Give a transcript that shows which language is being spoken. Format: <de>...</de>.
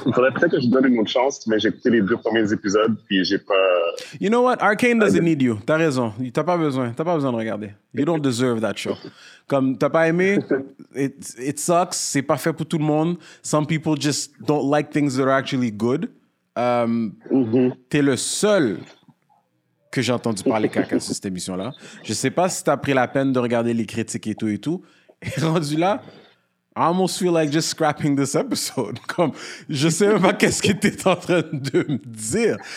<fr>il faudrait peut-être que je donne une autre chance, mais j'ai écouté les deux premiers épisodes, puis j'ai pas...</fr> <en>You know what, Arcane doesn't need you,</en> <fr>t'as raison, t'as pas besoin de regarder.</fr> <en>You don't deserve that show.</en> <fr>Comme, t'as pas aimé,</fr> <en>it sucks,</en> <fr>c'est pas fait pour tout le monde.</fr> <en>Some people just don't like things that are actually good.</en> <fr>T'es le seul que j'ai entendu parler caca sur cette émission-là. Je sais pas si t'as pris la peine de regarder les critiques et tout, et rendu là,</fr> <en>I almost feel like just scrapping this episode.</en> <fr>Comme, je sais même pas qu'est-ce que t'es en train de me dire.</fr>